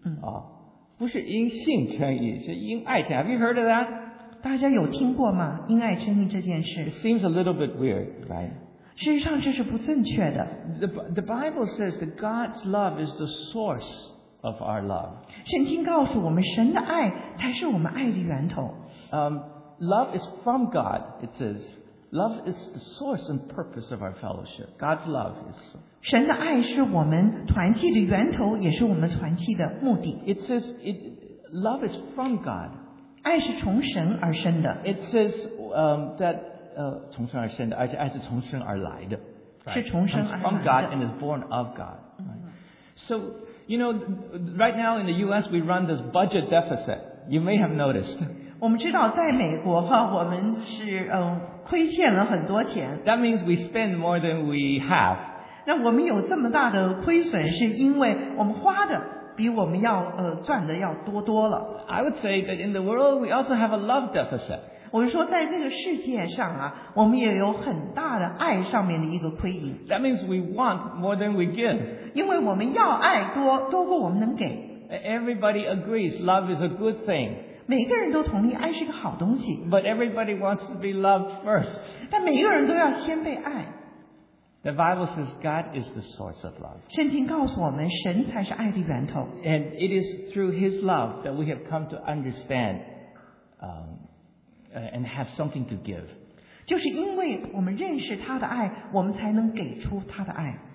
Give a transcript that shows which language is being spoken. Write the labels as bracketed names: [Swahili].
[Chinese] 哦，不是因信称义，是因爱称义。 [English] Have you heard of that? [Chinese] 大家有听过吗？因爱称义这件事。 [English] It seems a little bit weird, right? [Chinese] 事实上这是不正确的。 [English] The Bible says that God's love is the source of our love. [Chinese] 圣经告诉我们神的爱才是我们爱的源头。 [English] Love is from God, it says. Love is the source and purpose of our fellowship. God's love is. [Chinese] 神的爱是我们团契的源头，也是我们团契的目的。 [English] It says, love is from God. [Chinese] 爱是从神而生的。 [English] It says, that [Chinese] 从生而生的，而且爱是从生而来的，是从生而来的。 [English] From God and is born of God. So, you know, right now in the U.S. we run this budget deficit. You may have noticed. [Chinese] 我们知道在美国哈，我们是亏欠了很多钱。 [English] That means we spend more than we have. [Chinese] 那我们有这么大的亏损，是因为我们花的比我们要赚的要多多了。 [English] I would say that in the world we also have a love deficit. [Chinese] 我说在那个世界上啊，我们也有很大的爱上面的一个亏盈。 [English] That means we want more than we give. [Chinese] 因为我们要爱多，多过我们能给。 [English] Everybody agrees love is a good thing. [Chinese] 每个人都同意爱是个好东西。 [English] But everybody wants to be loved first. [Chinese] 但每个人都要先被爱。 [English] The Bible says God is the source of love. [Chinese] 圣经告诉我们神才是爱的源头。 [English] And it is through His love that we have come to understand, and have something to give. [Chinese] 就是因为我们认识他的爱，我们才能给出他的爱。